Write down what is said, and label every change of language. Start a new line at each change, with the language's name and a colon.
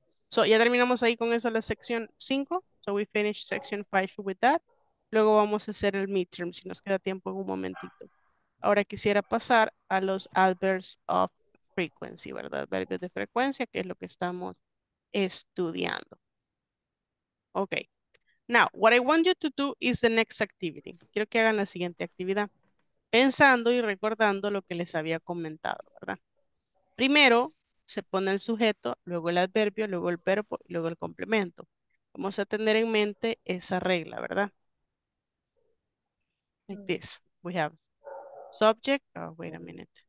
Spanish: So, ya terminamos ahí con eso la sección 5.
English: So, we finished section 5 with that.
Spanish: Luego vamos a hacer el midterm, si nos queda tiempo en un momentito. Ahora quisiera pasar a los
English: adverbs of frequency,
Spanish: ¿verdad? Verbos de frecuencia, que es lo que estamos estudiando. Okay.
English: Now, what I want you to do is the next activity.
Spanish: Quiero que hagan la siguiente actividad. Pensando y recordando lo que les había comentado, ¿verdad? Primero, se pone el sujeto, luego el adverbio, luego el verbo, luego el complemento. Vamos a tener en mente esa regla, ¿verdad?
English: Like this. We have subject. Oh, wait a minute.